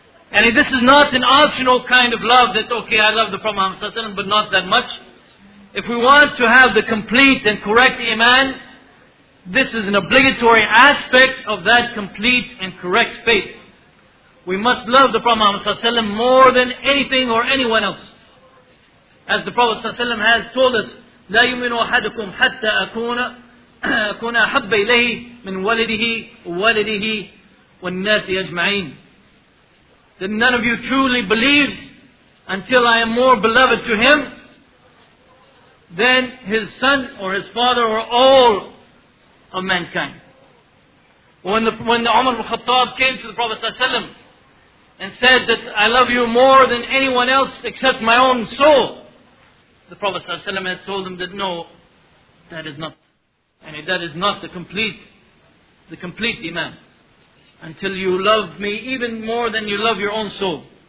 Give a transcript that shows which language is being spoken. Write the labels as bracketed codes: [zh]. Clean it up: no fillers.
[en] And this is not an optional kind of love that, okay, I love the Prophet Muhammad Sallallahu Alaihi Wasallam, but not that much. If we want to have the complete and correct iman, this is an obligatory aspect of that complete and correct faith. We must love the Prophet Muhammad Sallallahu Alaihi Wasallam more than anything or anyone else. As the Prophet Sallallahu Alaihi Wasallam has told us, [ar] لَا يُمِنُوا أَحَدُكُمْ حَتَّى أَكُونَ أَحَبَّ إِلَيْهِ مِنْ وَلِدِهِ وَلِدِهِ وَالنَّاسِ أَجْمَعِينَ. [en] That none of you truly believes until I am more beloved to him than his son or his father or all of mankind. When Umar ibn Khattab came to the Prophet Sallallahu Alaihi Wasallam and said that I love you more than anyone else except my own soul, the Prophet Sallallahu Alaihi Wasallam had told him that no, that is not, and that is not the complete iman, until you love me even more than you love your own soul.